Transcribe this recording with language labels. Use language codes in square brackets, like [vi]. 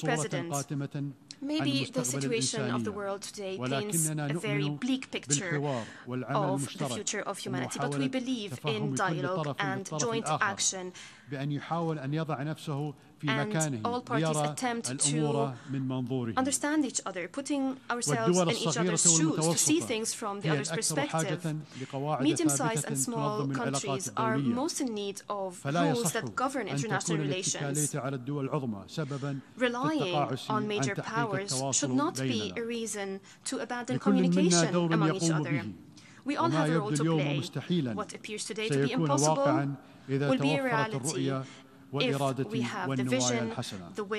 [en] President, maybe the situation of the world today paints a very bleak picture of the future of humanity, but we believe in dialogue and joint action. [ar] بأن يحاول أن يضع نفسه في مكانه ليرى الأمور من منظوره [en] understand each other, putting ourselves in each other's shoes to see things from the other's perspective. Medium-sized and small countries are most in need of rules that govern international relations. Relying on major powers should not be a reason to abandon communication among each other. We all have a role to play. What appears today to be impossible [ar] إذا توفرت الرؤية والإرادة والنوايا الحسنة.